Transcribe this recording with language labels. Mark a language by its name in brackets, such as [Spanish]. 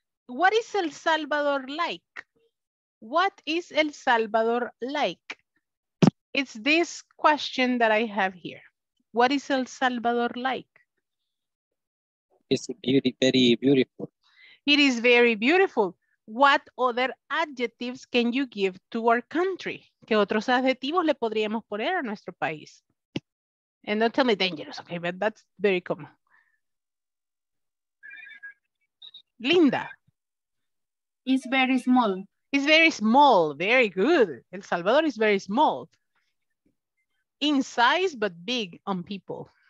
[English] What is El Salvador like? What is El Salvador like? It's this question that I have here. What is El Salvador like? It's very, very beautiful. It is very beautiful. What other adjectives can you give to our country? [Spanish] ¿Qué otros adjetivos le podríamos poner a nuestro país? [English] And don't tell me dangerous, okay, but that's very common. [Spanish] Linda. [English] It's very small. It's very small. Very good. El Salvador is very small. In size, but big on people.